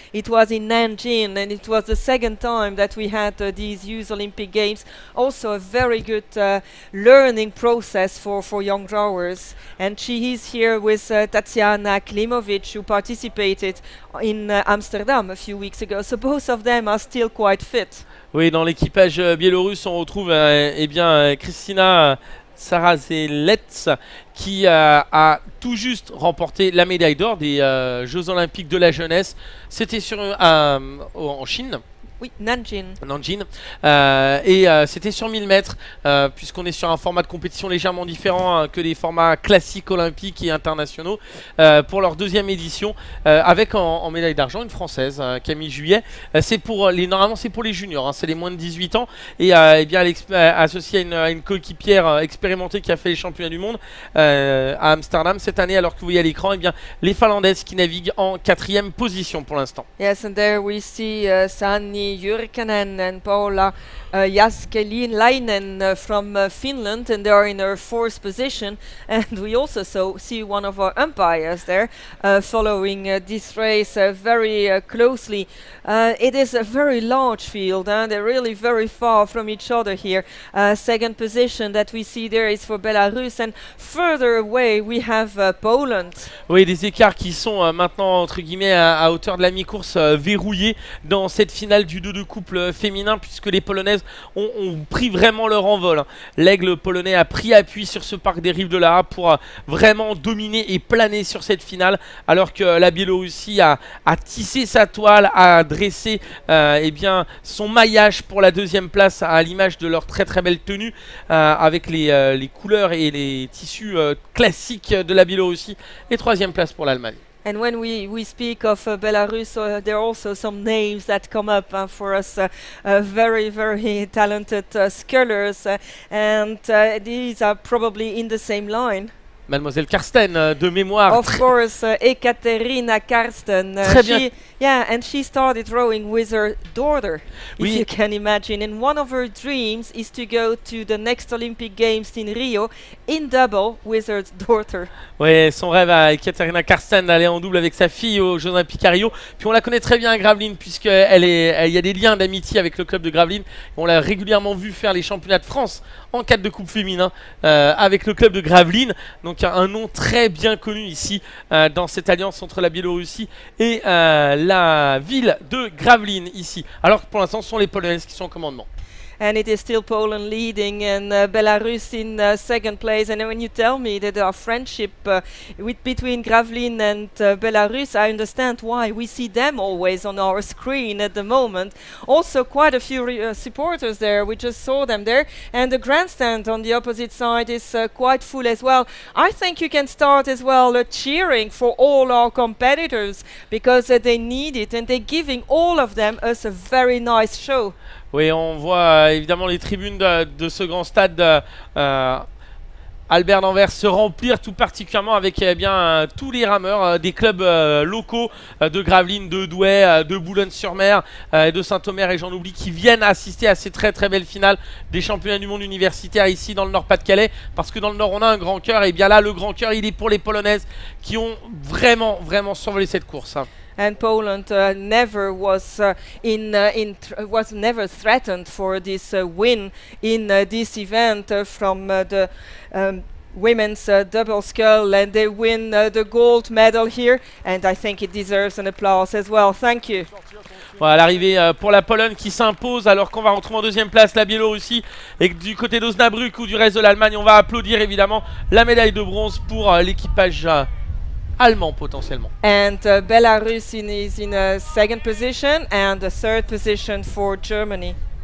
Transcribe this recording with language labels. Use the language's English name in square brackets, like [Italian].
[English] It was in Nanjing and it was the second time that we had these Youth Olympic Games. Also a very good learning process for young rowers. And she is here with Tatiana Klimovic, who participated in Amsterdam a few weeks ago. So both of them are still quite fit. [French] Oui, dans l'équipage biélorusse, on retrouve eh bien Kristina Staraselec qui a tout juste remporté la médaille d'or des Jeux Olympiques de la jeunesse. C'était sur en Chine. Oui, Nanjing. Nanjing. C'était sur 1000 mètres, puisqu'on est sur un format de compétition légèrement différent que les formats classiques olympiques et internationaux, pour leur deuxième édition, avec en médaille d'argent une Française, Camille Juillet. Normalement, c'est pour les juniors, hein, c'est les moins de 18 ans. Et associée à une coéquipière expérimentée qui a fait les championnats du monde à Amsterdam cette année, alors que vous voyez à l'écran, les Finlandaises qui naviguent en quatrième position pour l'instant. [English] Yes, and there we see Sanni Jurkanen and Paula Jaskelainen from Finland, and they are in their fourth position. And we also see one of our umpires there following this race very closely. It is a very large field, and they're really very far from each other here. Second position that we see there is for Belarus, and further away we have Poland. [French] Oui, des écarts qui sont maintenant entre guillemets à hauteur de la mi-course verrouillés dans cette finale du 2 de couple féminin, puisque les Polonaises ont pris vraiment leur envol. L'aigle polonais a pris appui sur ce parc des rives de la Haye pour vraiment dominer et planer sur cette finale, alors que la Biélorussie a tissé sa toile, a dressé son maillage pour la deuxième place à l'image de leur très très belle tenue avec les couleurs et les tissus classiques de la Biélorussie, et troisième place pour l'Allemagne. [English] And when we speak of Belarus, there are also some names that come up for us, very, very talented scholars, and these are probably in the same line. [French] Mademoiselle Karsten, de mémoire. [English] Of course, Ekaterina Karsten. [French] Très bien. [English] Yeah, and she started rowing with her daughter, oui. If you can imagine. And one of her dreams is to go to the next Olympic Games in Rio in double with her daughter. [French] Oui, son rêve à Ekaterina Karsten d'aller en double avec sa fille aux Jeux Olympiques à Rio. Puis on la connaît très bien à Gravelines, puisqu'il y a des liens d'amitié avec le club de Gravelines. On l'a régulièrement vu faire les championnats de France en cadre de coupe féminin avec le club de Gravelines. Donc un nom très bien connu ici dans cette alliance entre la Biélorussie et la ville de Gravelines ici. Alors que pour l'instant, ce sont les Polonaises qui sont en commandement. [English] And it is still Poland leading and Belarus in second place. And when you tell me that there are friendship between Gravelines and Belarus, I understand why we see them always on our screen at the moment. Also, quite a few supporters there. We just saw them there. And the grandstand on the opposite side is quite full as well. I think you can start as well cheering for all our competitors, because they need it, and they're giving all of them us a very nice show. [French] Oui, on voit évidemment les tribunes de ce grand stade Albert d'Anvers se remplir, tout particulièrement avec tous les rameurs des clubs locaux de Gravelines, de Douai, de Boulogne-sur-Mer, de Saint-Omer et j'en oublie, qui viennent assister à ces très très belles finales des championnats du monde universitaire ici dans le Nord-Pas-de-Calais, parce que dans le Nord on a un grand cœur, et bien là le grand cœur il est pour les Polonaises qui ont vraiment vraiment survolé cette course. [English] And Poland never was was never threatened for this win in this event from the women's double scull, and they win the gold medal here, and I think it deserves an applause as well. Thank you. [French] Voilà l'arrivée pour la Pologne qui s'impose, alors qu'on va retrouver en deuxième place la Biélorussie, et du côté d'Osnabrück ou du reste de l'Allemagne, on va applaudir évidemment la médaille de bronze pour l'équipage allemand potentiellement. [English] And Belarus is in a second position and a third position for Germany.